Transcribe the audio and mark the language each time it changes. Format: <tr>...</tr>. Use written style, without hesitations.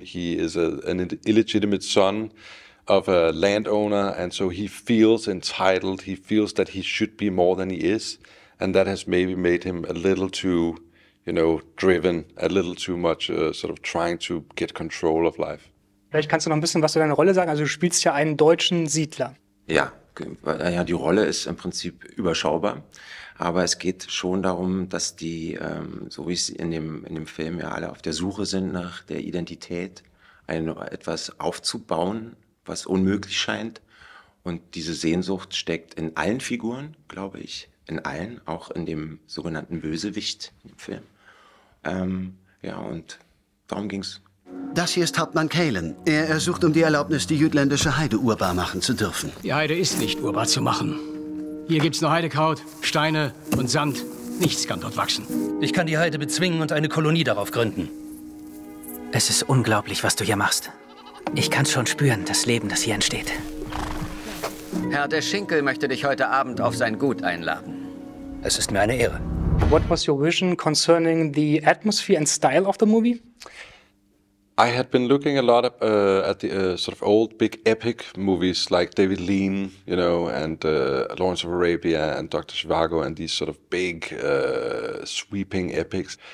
<en>He is an illegitimate son of a landowner, and so he feels entitled. He feels that he should be more than he is, and that has maybe made him a little too, you know, driven, a little too much sort of trying to get control of life.</en> <de>Vielleicht kannst du noch ein bisschen was zu deiner Rolle sagen. Also du spielst ja einen deutschen Siedler. Ja, ja, die Rolle ist im Prinzip überschaubar, aber es geht schon darum, dass die, so wie es in dem Film ja alle auf der Suche sind nach der Identität, etwas aufzubauen, was unmöglich scheint. Und diese Sehnsucht steckt in allen Figuren, glaube ich, in allen, auch in dem sogenannten Bösewicht im Film. Ja, und darum ging's. Das hier ist Hauptmann Kalen. Er ersucht um die Erlaubnis, die jütländische Heide urbar machen zu dürfen. Die Heide ist nicht urbar zu machen. Hier gibt's nur Heidekraut, Steine und Sand. Nichts kann dort wachsen. Ich kann die Heide bezwingen und eine Kolonie darauf gründen. Es ist unglaublich, was du hier machst. Ich kann schon spüren, das Leben, das hier entsteht. Herr der Schinkel möchte dich heute Abend auf sein Gut einladen. Es ist mir eine Ehre.</de> <en>What was your vision concerning the atmosphere and style of the movie? I had been looking a lot at the sort of old big epic movies like David Lean, you know, and Lawrence of Arabia and Dr. Zhivago and these sort of big sweeping epics.</en>